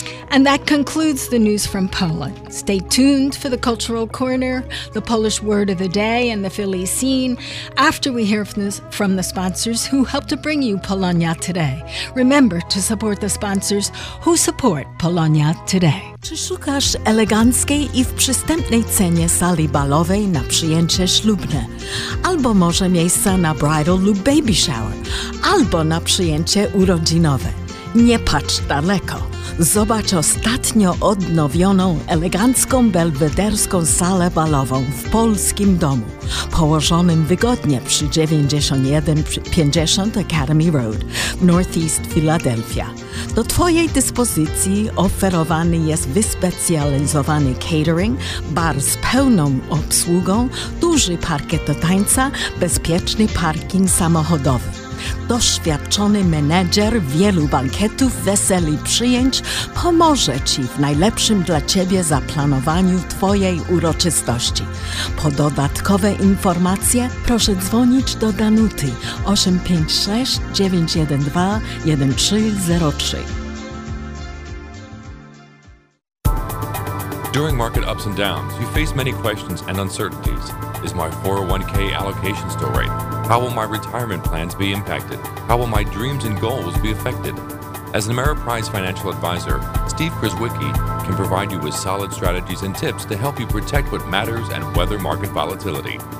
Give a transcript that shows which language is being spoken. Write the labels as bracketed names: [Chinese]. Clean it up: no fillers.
[English] And that concludes the news from Poland. Stay tuned for the Cultural Corner, the Polish Word of the Day, and the Philly Scene after we hear from the sponsors who help to bring you Polonia Today. Remember to support the sponsors who support Polonia Today. [Polish] Czy szukasz eleganckiej i w przystępnej cenie sali balowej na przyjęcie ślubne? Albo może miejsca na bridal lub baby shower? Albo na przyjęcie urodzinowe? Nie patrz daleko. Zobacz ostatnio odnowioną, elegancką, belwederską salę balową w polskim domu, położonym wygodnie przy 9150 Academy Road w Northeast Philadelphia. Do Twojej dyspozycji oferowany jest wyspecjalizowany catering, bar z pełną obsługą, duży parkiet do tańca, bezpieczny parking samochodowy. Doświadczony menedżer wielu bankietów, wesel i przyjęć pomoże Ci w najlepszym dla Ciebie zaplanowaniu Twojej uroczystości. Po dodatkowe informacje proszę dzwonić do Danuty 856-912-1303. [English] During market ups and downs, you face many questions and uncertainties. Is my 401k allocation still right? How will my retirement plans be impacted? How will my dreams and goals be affected? As an Ameriprise financial advisor, Steve Krzyzewski can provide you with solid strategies and tips to help you protect what matters and weather market volatility.